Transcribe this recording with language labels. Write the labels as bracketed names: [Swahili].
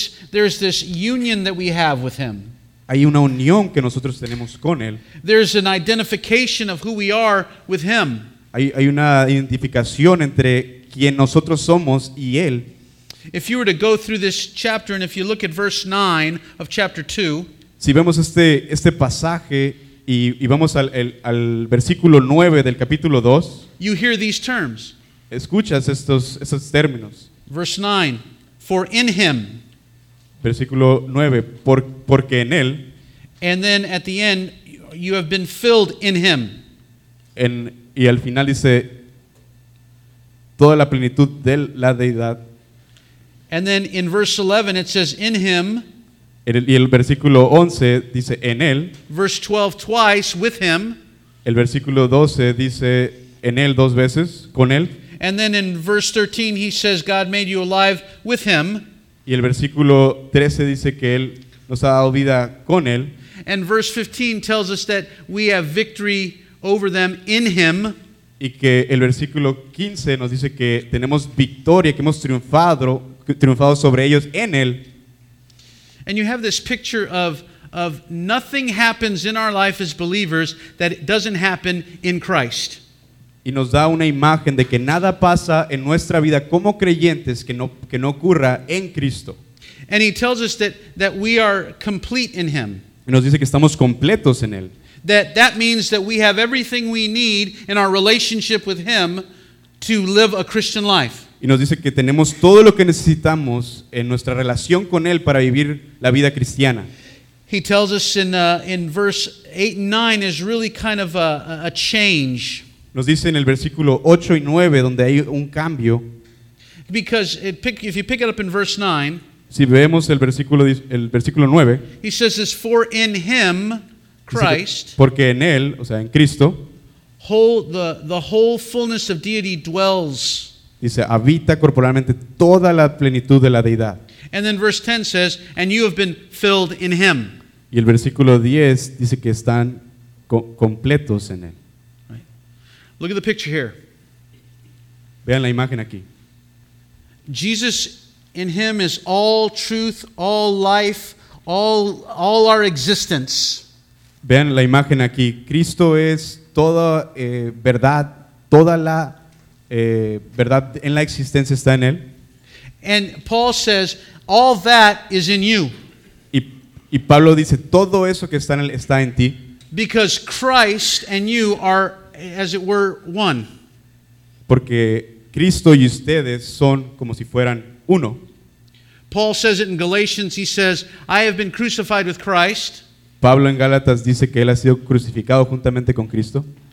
[English] There's this union that we have with him. [Spanish] Hay una unión que nosotros tenemos con él. [English] There's an identification of who we are with him. [Spanish] Hay una identificación entre quien nosotros somos y él. [English] If you were to go through this chapter and if you look at verse 9 of chapter 2, [Spanish] si vemos este pasaje y vamos al versículo 9 del capítulo 2, [English] you hear these terms. [Spanish] Escuchas estos términos. [English] Verse 9, for in him. [Spanish] Versículo 9, porque en él. [English] And then at the end, you have been filled in him. [Spanish] Y al final dice, toda la plenitud de la deidad. [English] And then in verse 11, it says, in him. [Spanish] Y el versículo 11 dice, en él. [English] Verse 12, twice, with him. [Spanish] El versículo 12 dice, en él dos veces, con él. [English] And then in verse 13, he says, God made you alive with him. [Spanish] Y el versículo 13 dice que él nos ha dado vida con él. [English] And verse 15 tells us that we have victory over them in him. [Spanish] Y que el versículo 15 nos dice que tenemos victoria, que hemos triunfado sobre ellos en él. [English] And you have this picture of nothing happens in our life as believers that it doesn't happen in Christ. [Spanish] Y nos da una imagen de que nada pasa en nuestra vida como creyentes que no ocurra en Cristo. [English] And he tells us that we are complete in him. [Spanish] Y nos dice que estamos completos en él. [English] That means that we have everything we need in our relationship with him to live a Christian life. [Spanish] Y nos dice que tenemos todo lo que necesitamos en nuestra relación con él para vivir la vida cristiana. [English] He tells us in verse 8 and 9 is really kind of a change. [Spanish] Nos dice en el versículo 8 y 9 donde hay un cambio. [English] Because if you pick it up in verse 9, [Spanish] si vemos el versículo 9, [English] he says this, for in him, Christ, [Spanish] porque en él, o sea, en Cristo, [English] the whole fullness of deity dwells. [Spanish] Dice, habita corporalmente toda la plenitud de la deidad. [English] And then verse 10 says, and you have been filled in him. [Spanish] Y el versículo 10 dice que están completos en él. [English] Look at the picture here. [Spanish] Vean la imagen aquí. [English] Jesus in him is all truth, all life, all our existence. [Spanish] Vean la imagen aquí. Cristo es toda verdad, toda la verdad en la existencia está en él. [English] And Paul says, all that is in you. [Spanish] Y Pablo dice, todo eso que está en él está en ti. [English] Because Christ and you are, as it were, one. [Spanish] Porque Cristo y ustedes son como si fueran uno. [English] Paul says it in Galatians. He says, I have been crucified with Christ. [Spanish] Pablo en Gálatas dice que él ha sido crucificado juntamente con Cristo.